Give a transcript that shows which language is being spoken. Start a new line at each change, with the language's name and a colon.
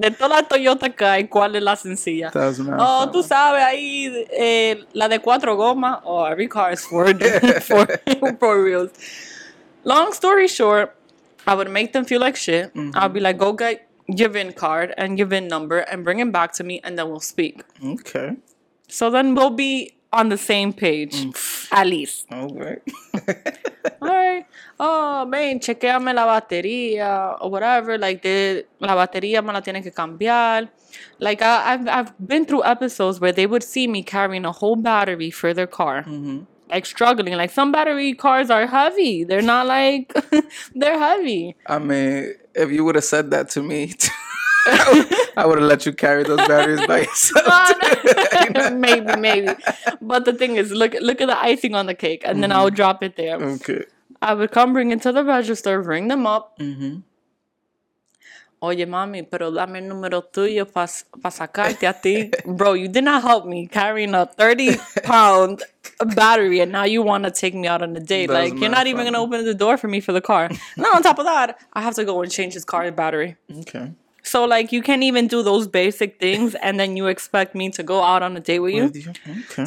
Spanish: De toda la Toyota que hay, ¿cuál es la sencilla? Oh, tú sabes, ahí, la de cuatro gomas.
English: Oh, every car is four wheels. Long story short, I would make them feel like shit. Mm-hmm. I'd be like, go get your VIN card and your VIN number and bring it back to me and then we'll speak. Okay. So then we'll be on the same page, at least. All right. Oh, man,
Spanish: chequeame la batería
English: or whatever.
Spanish: Like, la batería me la tiene que cambiar.
English: Like, I've been through episodes where they would see me carrying a whole battery for their car. Mm-hmm. Like, struggling. Like, some battery cars are heavy. They're not like, they're heavy. I mean, if you would have said that to me, I would have let you carry those batteries by yourself. maybe. But the thing is, look at the icing on the cake, and then I'll drop it there. Okay. I would come bring it to the register, ring them up. Mm-hmm.
Spanish: Oye, mami, pero dame el número tuyo pa sacarte a ti.
English: Bro, you did not help me carrying a 30-pound battery, and now you want to take me out on a date. That's like, you're not even going to open the door for me for the car. No, on top of that, I have to go and change his car's battery. Okay. So, like, you can't even do those basic things, and then you expect me to go out on a date with you? Okay.